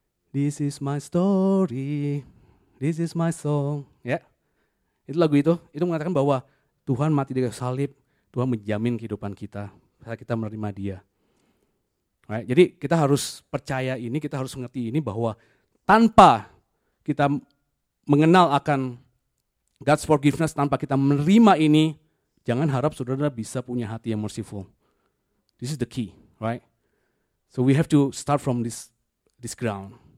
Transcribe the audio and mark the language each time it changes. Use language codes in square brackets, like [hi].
[en] This is my story, this is my song. [id] Ya, itu lagu itu. Itu mengatakan bahwa Tuhan mati di salib, Tuhan menjamin kehidupan kita saat kita menerima Dia. Right? Jadi kita harus percaya ini, kita harus mengerti ini bahwa tanpa kita mengenal akan [en] God's forgiveness, [id] tanpa kita menerima ini, jangan harap saudara bisa punya hati yang merciful. [en] This is the key, right? So we have to start from this ground.